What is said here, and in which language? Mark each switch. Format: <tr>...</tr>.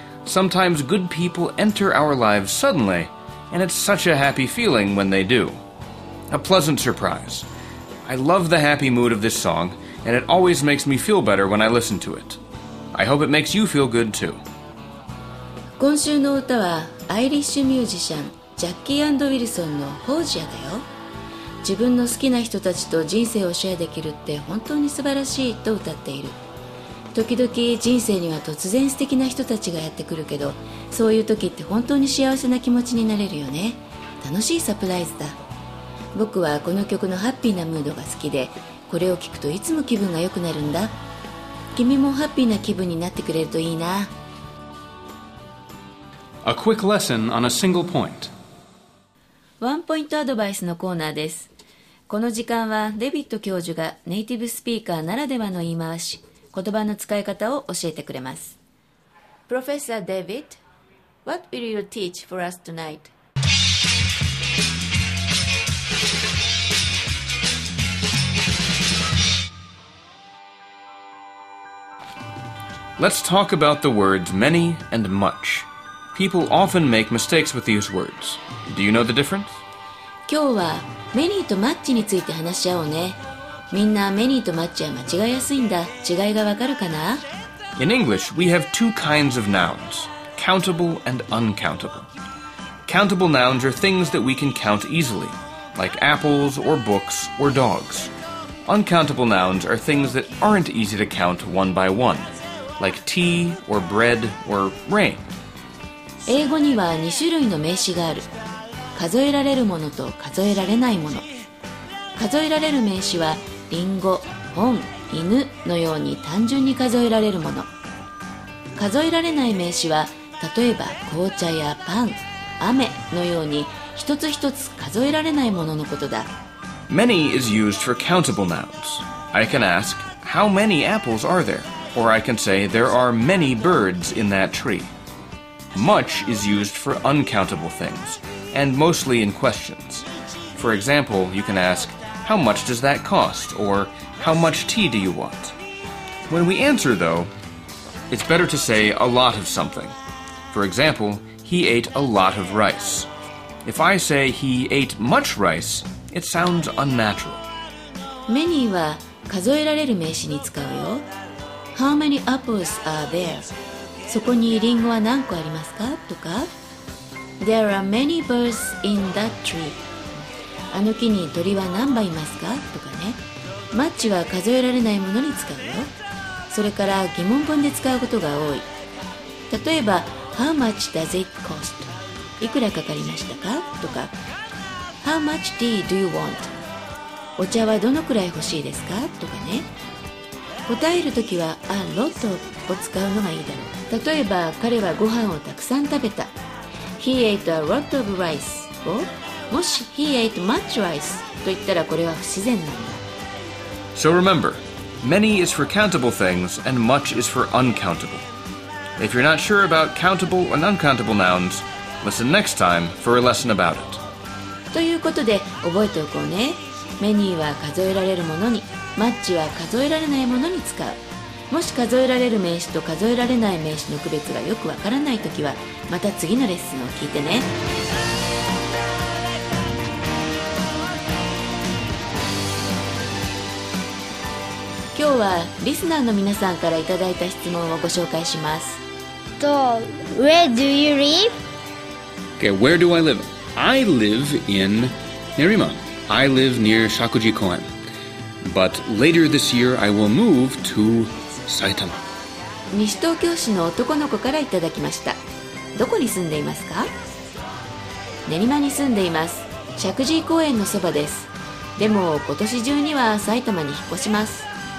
<en>Sometimes good people enter our lives suddenly, and it's such a happy feeling when they do. A pleasant surprise. I love the happy mood of this song, and it always makes me feel better when I listen to it. I hope it makes you feel good too.</en> <ja>今週の歌はアイリッシュミュージシャン、ジャッキー&ウィルソンのホージアだよ。自分の好きな人たちと人生をシェアできるって本当に素晴らしいと歌っている。時々人生には突然素敵な人たちがやってくるけど、そういう時って本当に幸せな気持ちになれるよね。楽しいサプライズだ。僕はこの曲のハッピーなムードが好きで、これを聴くといつも気分が良くなるんだ。君もハッピーな気分になってくれるといいな。</ja> <en>A quick lesson on a single point。</en> <ja>ワンポイントアドバイスのコーナーです。この時間はデビット教授がネイティブスピーカーならではの言い回し、言葉の使い方を教えてくれます。</ja> <en>Professor David, what will you teach for us tonight? Let's talk about the words many and much. People often make mistakes with these words. Do you know the difference?</en> <ja>今日は many と much について話し合おうね。みんな、メニーとマッチは間違いやすいんだ。違いがわかるかな？</ja> <en>In English, we have two kinds of nouns, countable and uncountable. Countable nouns are things that we can count easily, like apples or books or dogs. Uncountable nouns are things that aren't easy to count one by one, like tea or bread or rain.</en> <ja>英語には2種類の名詞がある。数えられるものと数えられないもの。数えられる名詞はリンゴ、本、犬のように単純に数えられるもの。数えられない名詞は、例えば紅茶やパン、雨のように一つ一つ数えられないもののことだ。</ja> <en>Many is used for countable nouns. I can ask, how many apples are there? Or I can say, there are many birds in that tree. Much is used for uncountable things, and mostly in questions. For example, you can askHow much does that cost? Or how much tea do you want? When we answer, though, it's better to say a lot of something. For example, he ate a lot of rice. If I say he ate much rice, it sounds unnatural.</en> <ja>Many は数えられる名詞に使うよ。</ja> <en>How many apples are there?</en> <ja>そこにリンゴは何個ありますか？とか。</ja> <en>There are many birds in that tree.</en> <ja>あの木に鳥は何羽いますか？とかね。マッチは数えられないものに使うよ。それから疑問文で使うことが多い。</ja> <en>例えば、How much does it cost?</en> <ja>いくらかかりましたか？とか。</ja> <en>How much tea do you want?</en> <ja>お茶はどのくらい欲しいですかとかね。答えるときは A lot を使うのがいいだろう。例えば彼はご飯をたくさん食べた。</ja> <en>He ate a lot of rice</en> <ja>をもし</ja> <en>He ate much rice</en> <ja>と言ったらこれは不自然なんだ。</ja> <en>So remember, many is for countable things and much is for uncountable. If you're not sure about countable and uncountable nouns, listen next time for a lesson about it.</en> <ja>ということで覚えておこうね。Many は数えられるものに、Much は数えられないものに使う。もし数えられる名詞と数えられない名詞の区別がよくわからないときは、また次のレッスンを聞いてね。今日はリスナーの皆さんからいただいた質問をご紹介します。</ja> <en>と、Where do you live? Okay, where do I live? I live in Nerima. I live near Shakuji Koen. But later this year I will move to Saitama.</en> <ja>西東京市の男の子からいただきました。どこに住んでいますか？ Nerima に住んでいます。Shakuji Koen のそばです。でも今年中には埼玉に引っ越します。</ja>